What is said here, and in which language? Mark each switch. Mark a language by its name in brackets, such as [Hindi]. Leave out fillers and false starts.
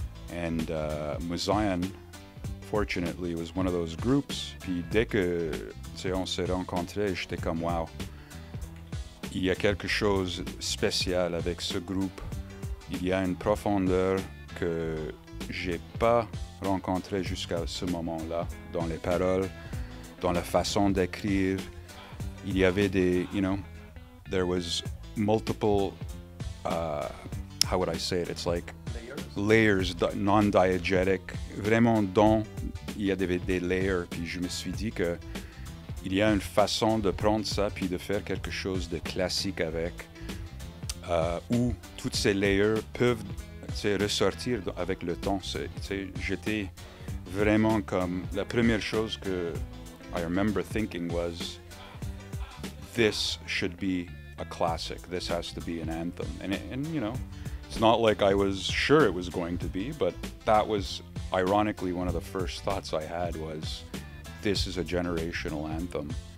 [English] And Muzion, fortunately, was one of those groups. [French] Puis dès que, on s'est rencontrés, j'étais comme, wow, il y a quelque chose de spécial avec ce groupe. Il y a une profondeur que j'ai pas rencontré jusqu'à ce moment-là, dans les paroles, dans la façon d'écrire. Il y avait des, [English] there was multiple, how would I say it? It's like layers, non-diegetic. [French] Vraiment, dont il y a des layers. Puis je me suis dit que il y a une façon de prendre ça puis de faire quelque chose de classique avec. Où toutes ces layers peuvent ressortir avec le temps. J'étais vraiment comme... La première chose que [English] I remember thinking was this should be a classic. This has to be an anthem. And it's not like I was sure it was going to be, but that was ironically one of the first thoughts I had was this is a generational anthem.